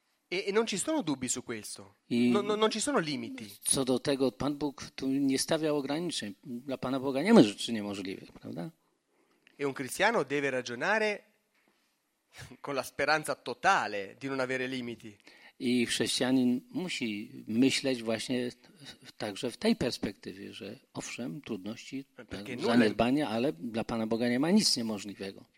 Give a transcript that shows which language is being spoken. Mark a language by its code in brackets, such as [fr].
[it] E non ci sono dubbi su questo. Non ci sono limiti. [pl] Co do tego, Pan Bóg tu nie stawiał ograniczeń. Dla Pana Boga nie ma rzeczy niemożliwych, prawda? [it] E un cristiano deve ragionare con la speranza totale di non avere limiti. [pl] I chrześcijanin musi myśleć właśnie także w tej perspektywie, że owszem, trudności, zaniedbania, ale dla Pana Boga nie ma nic niemożliwego.